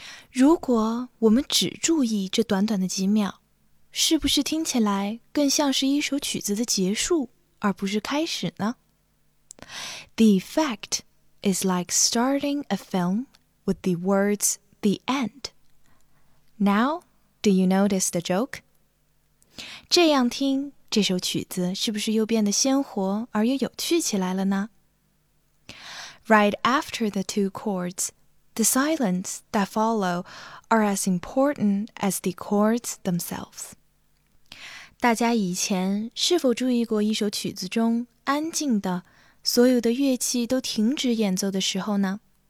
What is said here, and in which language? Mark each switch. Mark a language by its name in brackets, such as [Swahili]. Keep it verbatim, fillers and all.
[Chinese] 如果我们只注意这短短的几秒，是不是听起来更像是一首曲子的结束，而不是开始呢？ [English] The effect is like starting a film with the words "the end." Now, do you notice the joke? [Chinese] 这样听，这首曲子是不是又变得鲜活而又有趣起来了呢？ [English] Right after the two chords, the silence that follow are as important as the chords themselves. [Chinese] 大家以前是否注意过一首曲子中安静的所有的乐器都停止演奏的时候呢？